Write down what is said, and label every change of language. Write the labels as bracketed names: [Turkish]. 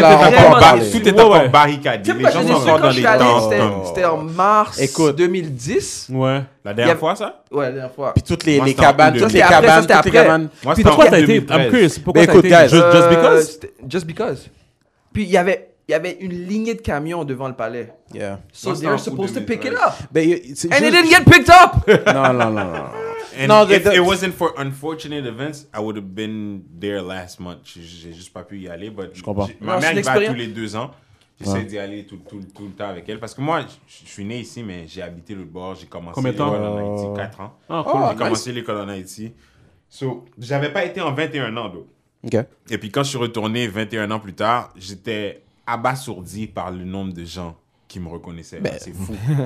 [French] ça, ça, tout est encore barricadé. Les gens sont encore dans les temps. C'était en mars 2010. Ouais. La dernière fois, ça? Ouais, la dernière fois. Puis toutes les cabanes, toutes les cabanes, toutes les cabanes. Puis pourquoi t'as été? [English] I'm curious. [French] Pourquoi t'as été? [English] Just because? Just because. [French] Puis il y avait. Il y avait une lignée de camions devant le palais. [English] Yeah. So they were supposed to pick it up. But and it didn't get picked up. [French] Non. [English] And if it wasn't for unfortunate events, I would have been there last month. [French] J'ai juste pas pu y aller. But je comprends. Ma mère y va tous les deux ans. J'essaie d'y aller tout le temps avec elle. Parce que moi, je suis né ici, mais j'ai habité l'autre bord. J'ai commencé l'école en Haïti. 4 ans. J'ai commencé l'école en Haïti. So, j'avais pas été en 21 ans, [English] though. [French] OK. Et puis quand je suis retourné 21 ans plus tard, j'étais abasourdi par le nombre de gens qui me reconnaissaient. Ben. C'est fou.